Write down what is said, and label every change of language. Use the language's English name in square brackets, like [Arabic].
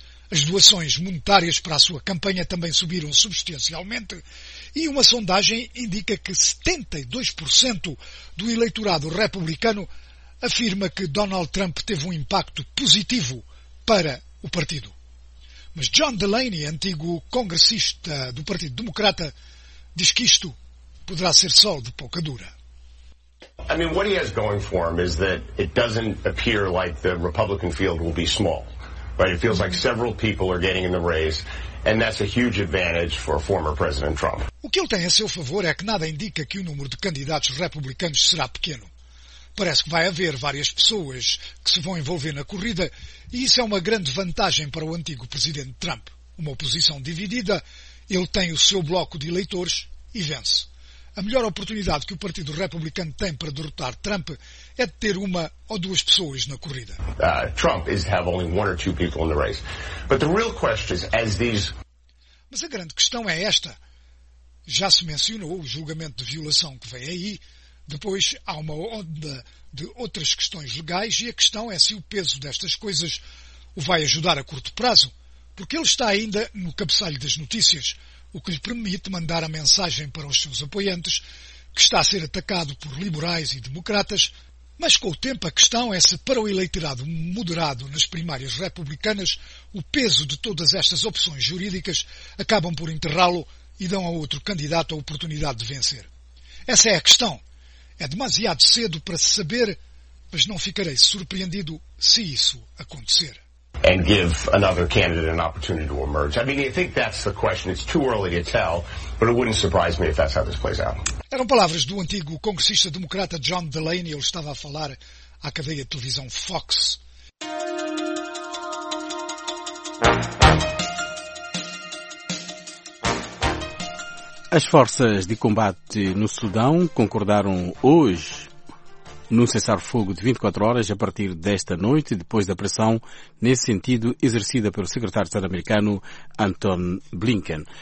[Portuguese] As doações monetárias para a sua campanha também subiram substancialmente e uma sondagem indica que 72% do eleitorado republicano afirma que Donald Trump teve um impacto positivo para o partido. Mas John Delaney, antigo congressista do Partido Democrata, diz que isto poderá ser só de pouca dura. [English] I mean, what he has going for him is that it doesn't appear like the Republican field will be small. Right, it feels like several people are getting in the race, and that's a huge advantage for former President Trump. [Portuguese] O que ele tem a seu favor é que nada indica que o número de candidatos republicanos será pequeno. Parece que vai haver várias pessoas que se vão envolver na corrida, e isso é uma grande vantagem para o antigo presidente Trump. Uma oposição dividida, ele tem o seu bloco de eleitores e vence. A melhor oportunidade que o Partido Republicano tem para derrotar Trump é de ter uma ou duas pessoas na corrida. [English] Trump is have only one or two people in the race. But the real question is, as these... [Portuguese] Mas a grande questão é esta. Já se mencionou o julgamento de violação que vem aí. Depois há uma onda de outras questões legais e a questão é se o peso destas coisas o vai ajudar a curto prazo, porque ele está ainda no cabeçalho das notícias, o que lhe permite mandar a mensagem para os seus apoiantes que está a ser atacado por liberais e democratas, mas com o tempo a questão é se para o eleitorado moderado nas primárias republicanas o peso de todas estas opções jurídicas acabam por enterrá-lo e dão a outro candidato a oportunidade de vencer. Essa é a questão. É demasiado cedo para se saber, mas não ficarei surpreendido se isso acontecer. [English] And give another candidate an opportunity to emerge. I mean, I think that's the question. It's too early to tell, but it wouldn't surprise me if that's how this plays out. [Portuguese] Eram palavras do antigo congressista democrata John Delaney. Ele estava a falar à cadeia de televisão Fox. As forças de combate no Sudão concordaram hoje num cessar-fogo de 24 horas a partir desta noite, depois da pressão nesse sentido exercida pelo secretário de Estado americano Anton Blinken.